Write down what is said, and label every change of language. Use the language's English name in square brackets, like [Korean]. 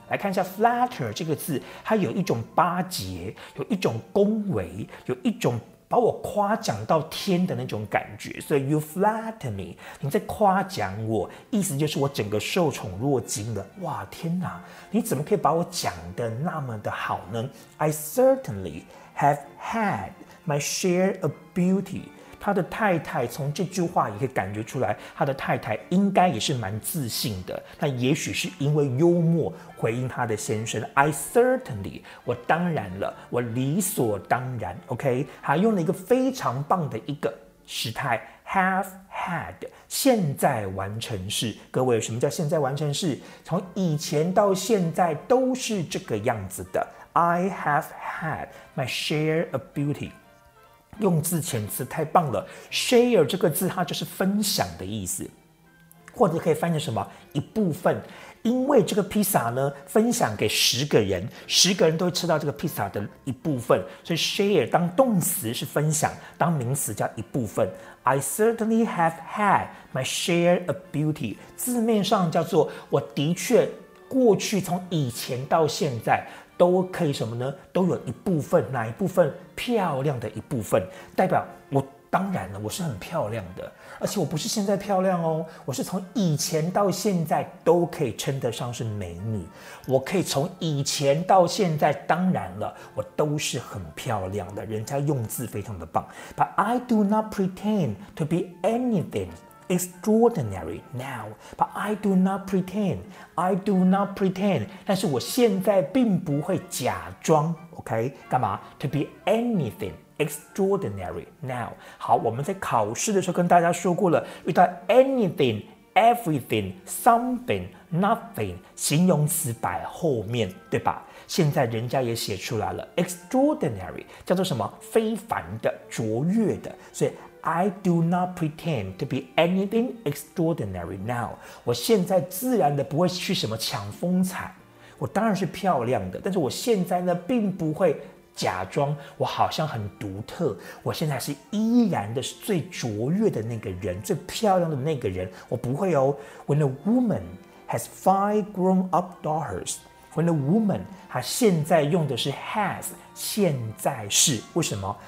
[Chinese] 来看一下 flatter 这个字，它有一种巴结，有一种恭维，有一种把我夸奖到天的那种感觉。所以 [English] you flatter me， [Chinese] 你在夸奖我，意思就是我整个受宠若惊了。哇，天哪，你怎么可以把我讲得那么的好呢？ [English] I certainly have had my share of beauty。 [Chinese] 他的太太从这句话也可以感觉出来，他的太太应该也是蛮自信的，但也许是因为幽默回应他的先生。 [English] I certainly， [Chinese] 我当然了，我理所当然。 OK， 还用了一个非常棒的一个时态 [English] have had [Chinese] 现在完成式。各位，什么叫现在完成式？从以前到现在都是这个样子的。 [English] I have had my share of beauty. [Chinese] 用字遣词太棒了 ，share 这个字它就是分享的意思，或者可以翻译什么一部分。因为这个披萨呢，分享给十个人，十个人都会吃到这个披萨的一部分，所以 share 当动词是分享，当名词叫一部分。 [English] I certainly have had my share of beauty， [Chinese] 字面上叫做我的确过去从以前到现在。都可以什么呢？都有一部分，哪一部分？漂亮的一部分，代表我当然了，我是很漂亮的，而且我不是现在漂亮哦，我是从以前到现在都可以称得上是美女。我可以从以前到现在，当然了，我都是很漂亮的。人家用字非常的棒 [English] ，But I do not pretend to be anything. Extraordinary now, but I do not pretend. I do not pretend. [Chinese] 但是我现在并不会假装 ，OK？干嘛 [English] ？To be anything extraordinary now. [Chinese] 好，我们在考试的时候跟大家说过了，遇到 [English] anything, everything, something, nothing [Chinese] 形容词摆后面，对吧？现在人家也写出来了 ，extraordinary 叫做什么？非凡的、卓越的，所以。 [English] I do not pretend to be anything extraordinary now. [Chinese] 我现在自然的不会去什么抢风采。我当然是漂亮的，但是我现在呢，并不会假装我好像很独特。我现在是依然的是最卓越的那个人，最漂亮的那个人。我不会哦。 [English] When a woman has 5 grown-up daughters, when a woman, [Chinese] 她现在用的是 [English] has, [Chinese] 现在是为什么？